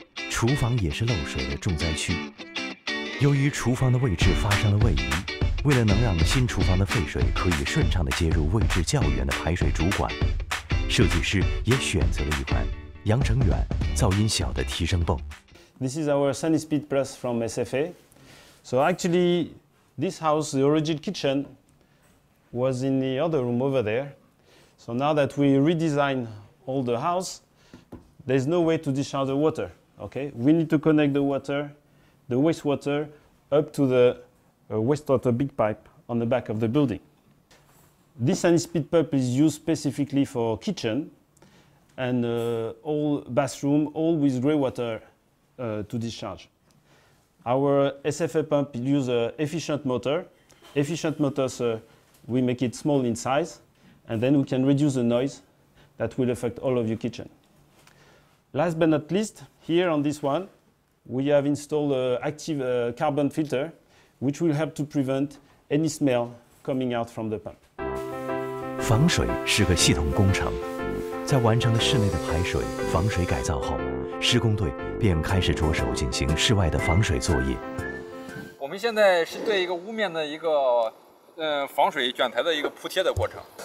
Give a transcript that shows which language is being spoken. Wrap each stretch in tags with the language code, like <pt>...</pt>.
<zh>厨房也是漏水的重灾区，由于厨房的位置发生了位移，为了能让新厨房的废水可以顺畅地接入位置较远的排水主管，设计师也选择了一款扬程远、噪音小的提升泵。</zh> <en>This is our SunnySpeed Plus from SFA. So actually, this house, the original kitchen, was in the other room over there. So now that we redesigned all the house, there's no way to discharge the water. Okay, we need to connect the water, the wastewater, up to the wastewater big pipe on the back of the building. This SunnySpeed pump is used specifically for kitchen and all bathroom, all with grey water to discharge. Our SFA pump uses an efficient motor. Efficient motors, we make it small in size, and then we can reduce the noise that will affect all of your kitchen. Last but not least, here on this one, we have installed an active carbon filter, which will help to prevent any smell coming out from the pump.</en> <zh>防水是个系统工程，在完成了室内的排水、防水改造后，施工队便开始着手进行室外的防水作业。我们现在是对一个屋面的一个防水卷台的一个铺贴的过程。</zh>